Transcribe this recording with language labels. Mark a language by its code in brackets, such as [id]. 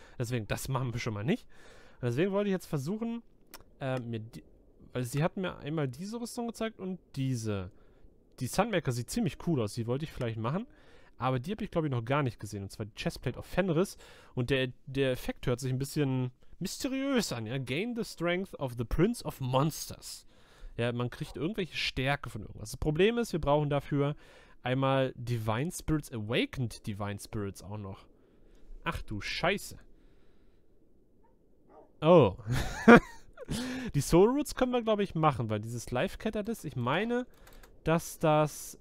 [de] Deswegen, das machen wir schon mal nicht. Und deswegen wollte ich jetzt versuchen, weil sie hat mir einmal diese Rüstung gezeigt und diese. Die Sunmaker sieht ziemlich cool aus. Die wollte ich vielleicht machen. Aber die habe ich, glaube ich, noch gar nicht gesehen. Und zwar die Chestplate auf Fenris. Und der Effekt hört sich ein bisschen mysteriös an, ja. [en] Gain the strength of the Prince of Monsters. [de] Ja, man kriegt irgendwelche Stärke von irgendwas. Das Problem ist, wir brauchen dafür einmal Divine Spirits, Awakened Divine Spirits auch noch. Ach du Scheiße. Oh. Die Soul Roots können wir, glaube ich, machen, weil dieses Life Catalyst, ich meine, dass das.